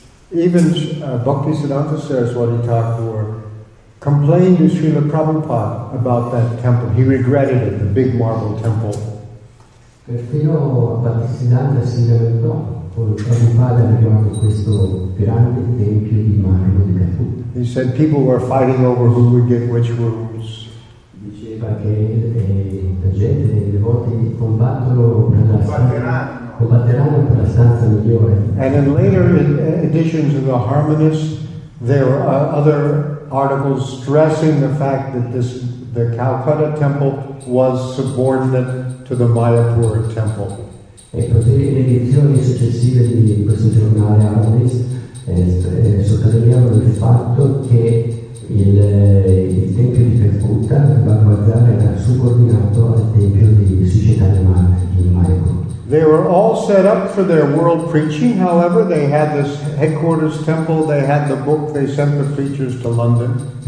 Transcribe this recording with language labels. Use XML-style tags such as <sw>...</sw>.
<en>Even Bhaktisiddhanta Saraswati Thakur complained to Srila Prabhupada about that temple. He regretted it, the big marble temple.</en> <it>Perfino Bhaktisiddhanta si lamentò con Prabhupada riguardo questo grande tempio di marmo di Calcutta.</it> <en>He said people were fighting over who would get which rooms.</en> <it>Diceva che la gente, le volte combatteranno per la stanza migliore.</it> <en>And in later editions of the Harmonists, there are other articles stressing the fact that this, the Calcutta temple was subordinate to the Mayapur temple.</en> <it>E così le edizioni successive di questo giornale Aramis sottolineavano il fatto che il tempio di Calcutta, il Bhagavad era subordinato al tempio di Società di Mayapur.</it> <en>They were all set up for their world preaching, however, they had this headquarters temple, they had the book, they sent the preachers to London.</en>